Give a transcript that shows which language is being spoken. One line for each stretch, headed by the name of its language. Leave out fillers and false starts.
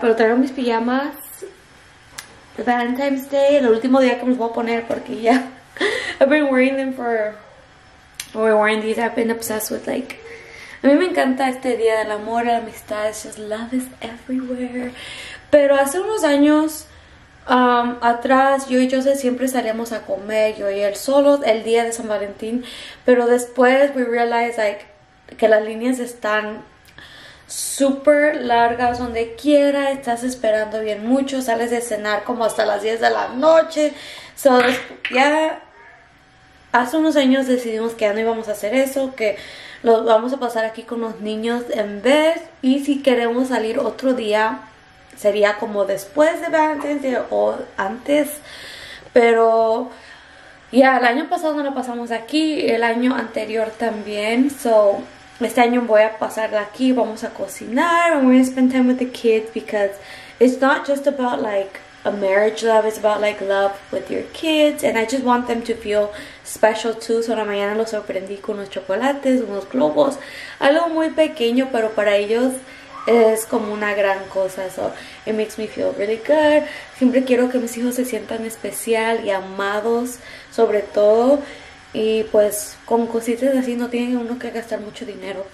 Spanish: Pero traigo mis pijamas. The Valentine's Day, el último día que me los voy a poner porque ya.
English: Yeah, I've been wearing them for, we're wearing these, I've been obsessed with like,
Spanish: a mí me encanta este día del amor, la amistad,
English: it's just love is everywhere.
Spanish: Pero hace unos años atrás, yo y Joseph siempre salíamos a comer, yo y él solo, el día de San Valentín. Pero después
English: we realized like,
Spanish: que las líneas están súper largas donde quiera, estás esperando bien mucho, sales de cenar como hasta las 10 de la noche. So, ya hace unos años decidimos que ya no íbamos a hacer eso, que lo vamos a pasar aquí con los niños en vez. Y si queremos salir otro día, sería como después de Valentine's Day o antes. Pero ya, yeah, el año pasado no lo pasamos aquí, el año anterior también.
English: So,
Spanish: este año voy a pasarla aquí, vamos a cocinar,
English: and we're gonna spend time with the kids because it's not just about like a marriage love, it's about like love with your kids, and I just want them to feel special too.
Spanish: So la mañana los sorprendí con unos chocolates, unos globos, algo muy pequeño, pero para ellos es como una gran cosa.
English: So it makes me feel really good.
Spanish: Siempre quiero que mis hijos se sientan especial y amados, sobre todo. Y pues con cositas así no tiene uno que gastar mucho dinero.